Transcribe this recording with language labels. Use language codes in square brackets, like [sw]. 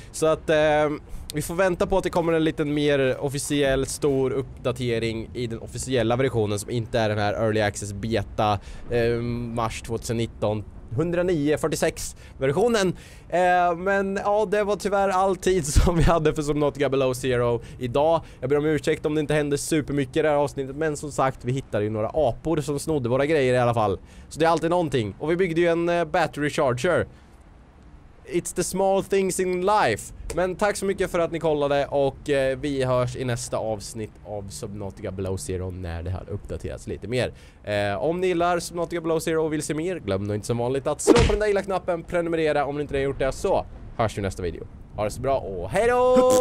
[sv] Så att vi får vänta på att det kommer en lite mer officiell stor uppdatering i den officiella versionen, som inte är den här Early Access Beta mars 2019 109.46 versionen. Men ja, det var tyvärr all tid som vi hade för Subnautica Below Zero idag. Jag ber om ursäkt om det inte hände supermycket i det här avsnittet, men som sagt, vi hittade ju några apor som snodde våra grejer i alla fall. Så det är alltid någonting. Och vi byggde ju en battery charger. [en] It's the small things in life. [sv] Men tack så mycket för att ni kollade, och vi hörs i nästa avsnitt av Subnautica Below Zero när det har uppdaterats lite mer. Om ni gillar Subnautica Below Zero och vill se mer, glöm inte som vanligt att slå på den där gilla knappen, prenumerera om ni inte har gjort det, så hörs vi i nästa video. Ha det så bra och hej då!